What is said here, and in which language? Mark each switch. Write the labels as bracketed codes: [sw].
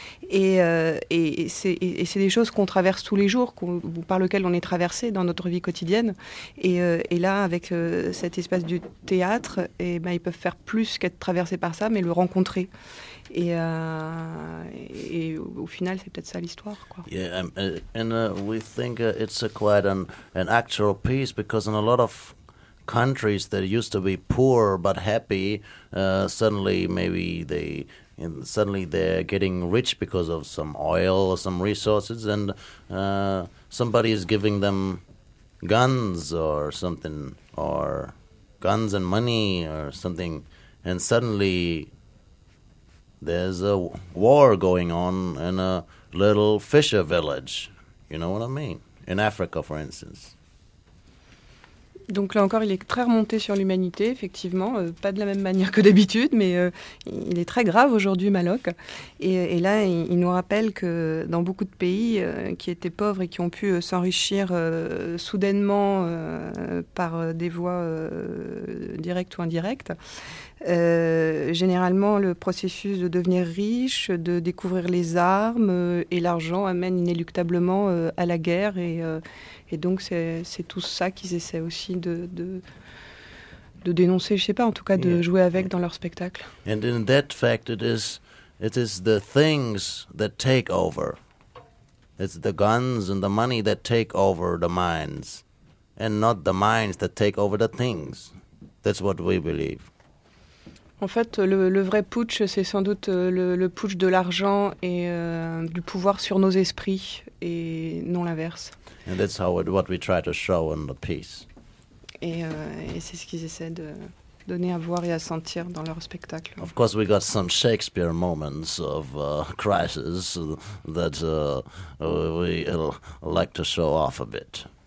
[fr] Et c'est des choses qu'on traverse tous les jours, par lesquelles on est traversé dans notre vie quotidienne. Et là, avec cet espace du théâtre, et ben ils peuvent faire plus qu'être traversés par ça, mais le rencontrer. Et au final, c'est peut-être ça l'histoire, quoi. [en] Yeah, and we think it's quite an actual piece, because in a lot of countries that used to be poor but happy, suddenly maybe they and suddenly they're getting rich because of some oil or some resources, and somebody is giving them guns or something, or guns and money or something, and suddenly there's a war going on in a little fisher village. You know what I mean? In Africa, for instance. [fr] Donc là encore, il est très remonté sur l'humanité, effectivement, pas de la même manière que d'habitude, mais il est très grave aujourd'hui, Malok. Et là, il nous rappelle que dans beaucoup de pays qui étaient pauvres et qui ont pu s'enrichir soudainement par des voies directes ou indirectes, généralement, le processus de devenir riche, de découvrir les armes et l'argent amène inéluctablement à la guerre. Et donc, c'est tout ça qu'ils essaient aussi de dénoncer, je ne sais pas, en tout cas, de jouer avec dans leur spectacle. [en] And in that fact, it is the things that take over. It's the guns and the money that take over the minds. And not the minds that take over the things. That's what we believe. [fr] En fait, le vrai putsch, c'est sans doute le putsch de l'argent et du pouvoir sur nos esprits, et non l'inverse. [en] And that's how what we try to show in the piece. [fr] Et c'est ce qu'ils essaient de donner à voir et à sentir dans leur spectacle. [en] Of course, we got some Shakespeare moments of crisis that we like to show off a bit.